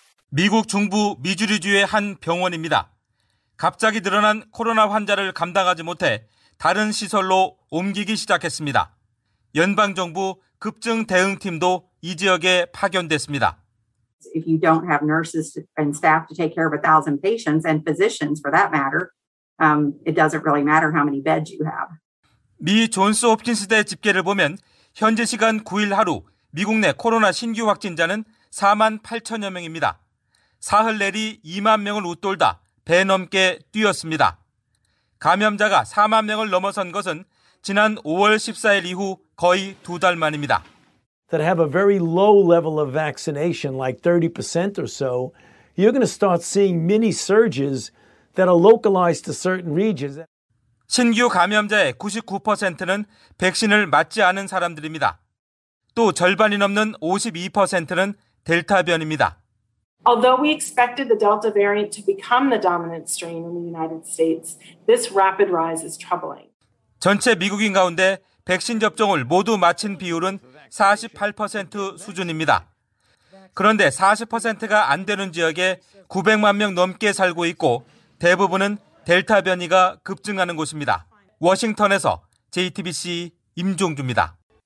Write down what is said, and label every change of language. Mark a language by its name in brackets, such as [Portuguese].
[Korean] 미국 중부 미주리주의 한 병원입니다. 갑자기 늘어난 코로나 환자를 감당하지 못해 다른 시설로 옮기기 시작했습니다. 연방정부 급증 대응팀도 이 지역에 파견됐습니다. [English] If you don't have nurses and staff to take care of 1,000 patients and physicians for that matter, it doesn't really matter how many beds you have. [Korean] 미 존스 홉킨스 대 집계를 보면 현재 시간 9일 하루 미국 내 코로나 신규 확진자는 4만 8천여 명입니다. 사흘 내리 2만 명을 웃돌다 배 넘게 뛰었습니다. 감염자가 4만 명을 넘어선 것은 지난 5월 14일 이후 거의 두 달 만입니다. [English] That have a very low level of vaccination, like 30% or so, you're going to start seeing mini surges that are localized to certain regions. [Korean] 신규 감염자의 99%는 백신을 맞지 않은 사람들입니다. 또 절반이 넘는 52%는 델타 변입니다. [English] Although we expected the Delta variant to become the dominant strain in the United States, this rapid rise is troubling. [Korean] 전체 미국인 가운데 백신 접종을 모두 마친 비율은 48% 수준입니다. 그런데 40%가 안 되는 지역에 900만 명 넘게 살고 있고 대부분은 델타 변이가 급증하는 곳입니다. 워싱턴에서 JTBC 임종주입니다.